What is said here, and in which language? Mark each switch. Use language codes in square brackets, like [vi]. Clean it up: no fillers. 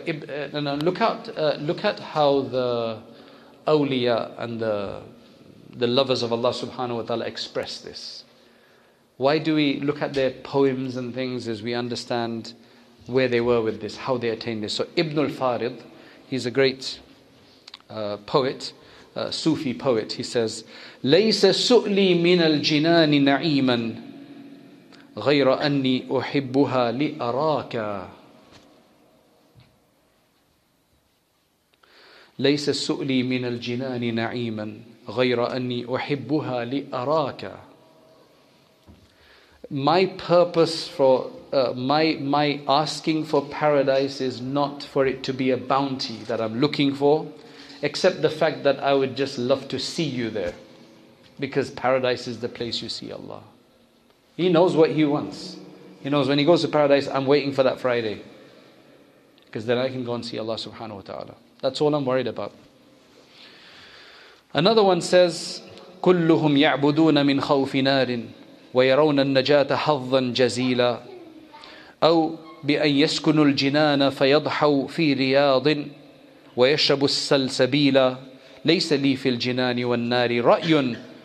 [en] Look at how the awliya and the lovers of Allah subhanahu wa ta'ala express this. Why do we look at their poems and things as we understand where they were with this, how they attained this? So Ibn al-Farid, he's a great poet, Sufi poet. He says, [ar] لَيْسَ سُؤْلِي مِنَ الْجِنَانِ نَعِيمًا غَيْرَ أَنِّي أُحِبُّهَا لِأَرَاكَ. لَيْسَ سُؤْلِي مِنَ الْجِنَانِ نَعِيمًا غَيْرَ أَنِّي أُحِبُّهَا لِأَرَاكَ. [en] My purpose for my asking for paradise is not for it to be a bounty that I'm looking for, except the fact that I would just love to see you there, because paradise is the place you see Allah. He knows what he wants. He knows when he goes to paradise, I'm waiting for that Friday, because then I can go and see Allah subhanahu wa ta'ala. That's all I'm worried about. Another one says, [ar] كلهم يعبدون من خوف نار ويرون النجاة حظا جزيلا أو بأن يسكنوا الجنان فيضحوا في رياض ويشربوا السلسبيلا ليس لي في الجنان والنار رأي